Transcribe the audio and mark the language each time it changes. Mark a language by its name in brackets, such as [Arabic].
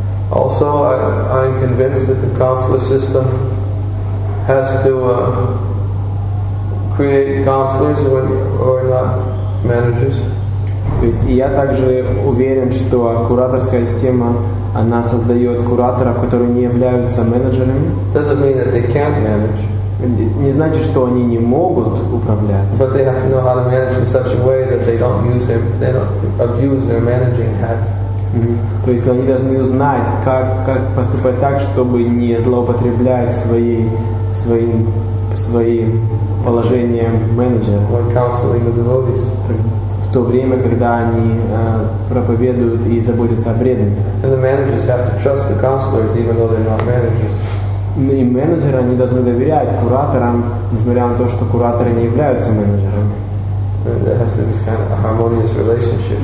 [English] Also, I'm convinced that the counselor system has to create counselors who are not managers. [Russian] То есть я также уверен, что кураторская система она создает кураторов, которые не являются менеджерами. [English] Doesn't mean that they can't manage. [Russian] Не значит, что они не могут управлять. [English] But they have to know how to manage in such a way that they don't abuse their managing hat. Mm-hmm. [Russian] То есть они должны узнать, как поступать так, чтобы не злоупотреблять своим положением менеджера. [English] When counseling the devotees. [Russian] В то время, когда они проповедуют и заботятся о преданных. [English] And the managers have to trust the counselors, even though they're not managers. [Russian] И менеджеры, они должны доверять кураторам, несмотря на то, что кураторы не являются менеджерами. [English] There has to be kind of a harmonious relationship.